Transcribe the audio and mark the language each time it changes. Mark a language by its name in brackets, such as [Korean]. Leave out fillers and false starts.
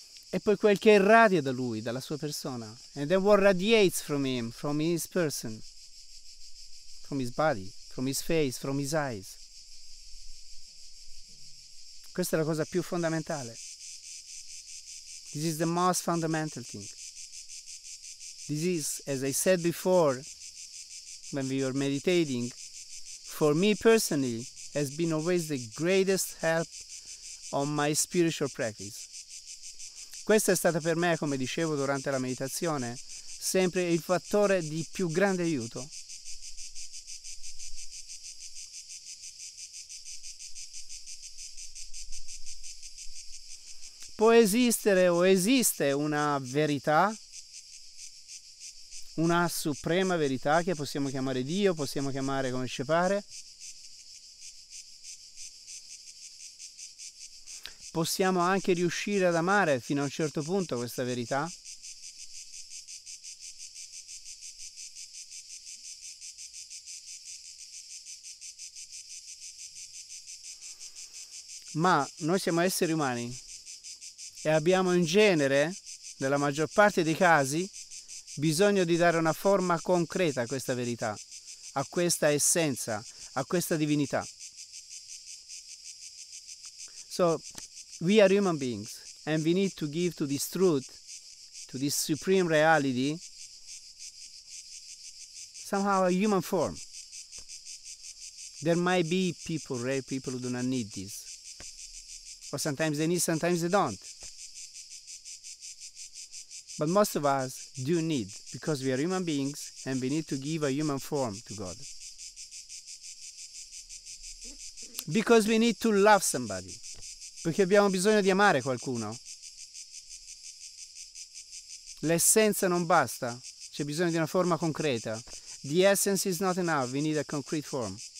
[Italian] E poi quel che irradia da lui, dalla sua persona. [English] And then what radiates from him, from his person, from his body, from his face, from his eyes. [Italian] Questa è la cosa più fondamentale. [English] This is the most fundamental thing. This is, as I said before, when we were meditating, for me personally, has been always the greatest help on my spiritual practice. [Italian] Questa è stata per me, come dicevo durante la meditazione, sempre il fattore di più grande aiuto. Può esistere o esiste una verità, una suprema verità che possiamo chiamare Dio, possiamo chiamare come ci pare. Possiamo anche riuscire ad amare fino a un certo punto questa verità. Ma noi siamo esseri umani e abbiamo in genere, nella maggior parte dei casi, bisogno di dare una forma concreta a questa verità, a questa essenza, a questa divinità. [English] So, we are human beings and we need to give to this truth, to this supreme reality, somehow a human form. There might be people, rare people, who do not need this. Or sometimes they need, sometimes they don't. But most of us do need, because we are human beings and we need to give a human form to God. Because we need to love somebody. [Italian] Perché abbiamo bisogno di amare qualcuno. L'essenza non basta, c'è bisogno di una forma concreta. [English] The essence is not enough, we need a concrete form.